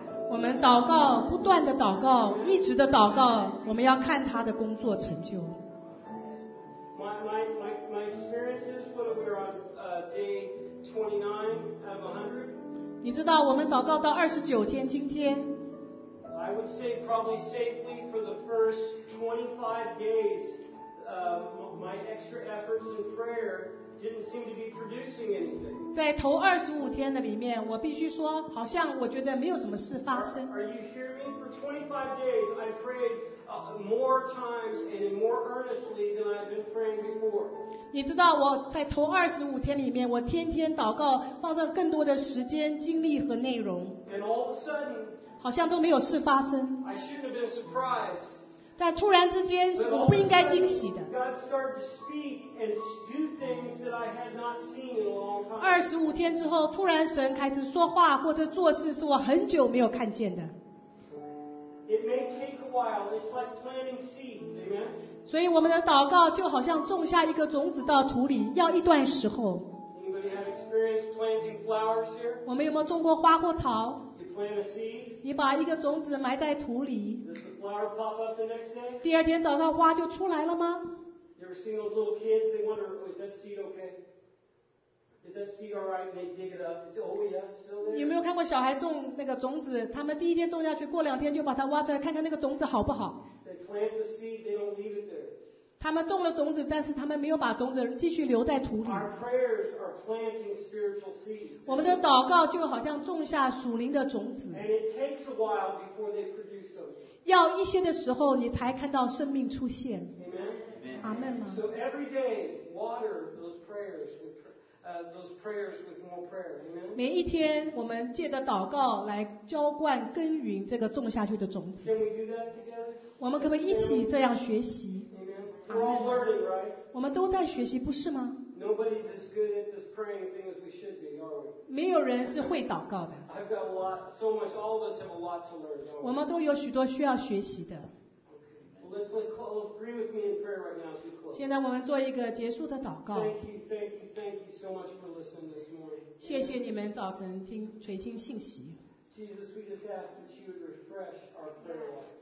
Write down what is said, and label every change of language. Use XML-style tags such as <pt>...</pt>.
<zh>我们祷告, 不断地祷告, 一直地祷告, 我们要看他的工作成就。</zh> <en>My experience is what we're on day 29 out of 100.</en> <zh>你知道我们祷告到29天, 今天,</zh> <en>I would say probably safely for the first 25 days, my extra efforts in prayer didn't seem to be producing anything.</en> <zh>在头25天的里面, 我必须说, 好像我觉得没有什么事发生。</zh> <en>Are you hearing me? For 25 days, I prayed more times and more earnestly than I've been praying before.</en> <zh>你知道我在头25天里面, 我天天祷告, 放上更多的时间、精力和内容。</zh> <en>And all of a sudden,</en> <zh>好像都没有事发生。</zh> <en>I shouldn't have been surprised.</en> <zh>但突然之间,</zh> <en>but</en> <zh>我不应该惊喜的。</zh> <en>God started to speak and do things that I had not seen in a long time.</en> <zh>25天之后, 突然神开始说话, 或者做事,</zh> <en>It may take a while. It's like planting seeds, amen?</en> <zh>所以我们的祷告就好像种下一个种子到土里, 要一段时候。</zh> <en>Anybody have experience planting flowers here?</en> <zh>我们有没有种过花或草?</zh> <en>Plant a seed.</en> <zh>你把一个种子埋在土里,</zh> <en>does the flower pop up the next day?</en> <zh>第二天早上花就出来了吗?</zh> <en>You ever seen those little kids? They wonder, oh, is that seed okay? Is that seed alright? And they dig it up. Is it, oh yeah, still there?</en> <zh>有没有看过小孩种那个种子?他们第一天种下去, 过两天就把它挖出来, 看看那个种子好不好?</zh> <en>They plant the seed, they don't leave it there.</en> <zh>他们种了种子, 但是他们没有把种子继续留在土里。</zh> <en>Our prayers are planting spiritual seeds.</en> <zh>我们的祷告就好像种下属灵的种子。</zh> <en>And it takes a while before they produce something.</en> <zh>要一些的时候, 你才看到生命出现。</zh> <en>Amen. Amen. So every day, water those prayers with, more prayer. Amen.</en> <zh>每一天, 我们借着祷告, 来浇灌耕耘这个种下去的种子。</zh> <en>Can we do that together?</en> <zh>我们可不可以一起这样学习?</zh> <en>We're all learning, right?</en> <zh>我们都在学习, 不是吗?</zh> <en>Nobody's as good at this praying thing as we should be, are we?</en> <zh>没有人是会祷告的。</zh> <en>I've got a lot, so much, all of us have a lot to learn, aren't we?</en> <zh>我们都有许多需要学习的。</zh> <en>Okay. Well, let's agree with me in prayer right now as we close.</en> <zh>现在我们做一个结束的祷告。</zh> <en>Thank you so much for listening this morning.</en> <zh>谢谢你们早晨听垂听信息。</zh> <en>Jesus, we just ask that you would refresh our prayer life.</en>